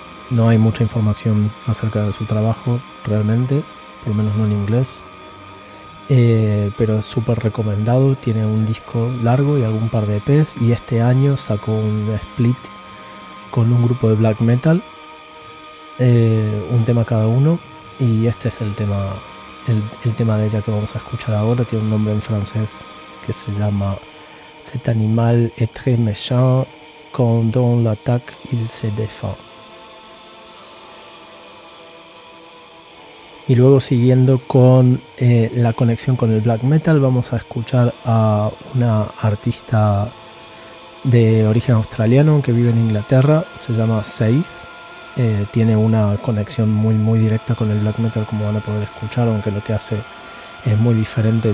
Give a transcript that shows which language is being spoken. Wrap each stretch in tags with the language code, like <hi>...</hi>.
<es>No hay mucha información acerca de su trabajo realmente, por lo menos no en inglés, pero es súper recomendado. Tiene un disco largo y algún par de EPs, y este año sacó un split con un grupo de black metal, un tema cada uno, y este es el tema de ella que vamos a escuchar ahora. Tiene un nombre en francés que se llama</es> <fr>Cet animal est très méchant, quand on l'attaque il se défend.</fr> <es>Y luego, siguiendo con la conexión con el black metal, vamos a escuchar a una artista de origen australiano que vive en Inglaterra. Se llama Seith. Tiene una conexión muy muy directa con el black metal, como van a poder escuchar, aunque lo que hace es muy diferente.</es>